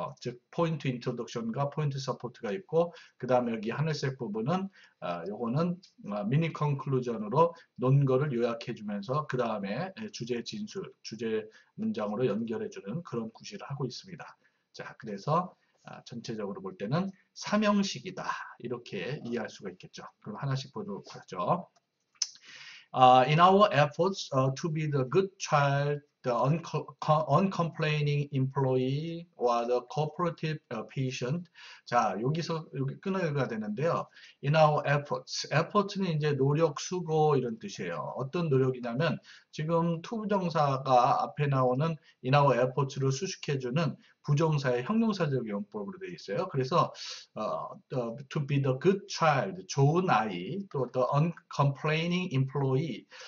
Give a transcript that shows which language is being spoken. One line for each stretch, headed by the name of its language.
Korean: 즉, 포인트 인트로덕션과 포인트 서포트가 있고, 그 다음에 여기 하늘색 부분은, 요거는 미니 컨클루전으로 논거를 요약해주면서, 그 다음에 주제 진술, 주제 문장으로 연결해주는 그런 구실을 하고 있습니다. 자, 그래서 전체적으로 볼 때는 3형식이다. 이렇게 이해할 수가 있겠죠. 그럼 하나씩 보도록 하죠.
English: In our efforts to be the good child, the uncomplaining employee, or the cooperative patient.
Korean: 자, 여기 끊어 읽어야 되는데요.
English: In our efforts.
Korean: Efforts는 이제 노력, 수고 이런 뜻이에요. 어떤 노력이냐면 지금 to 부정사가 앞에 나오는
English: in our efforts
Korean: 를 수식해주는 부정사의 형용사적 용법으로 되어 있어요. 그래서
English: to be the good child,
Korean: 좋은 아이, 또
English: the uncomplaining employee.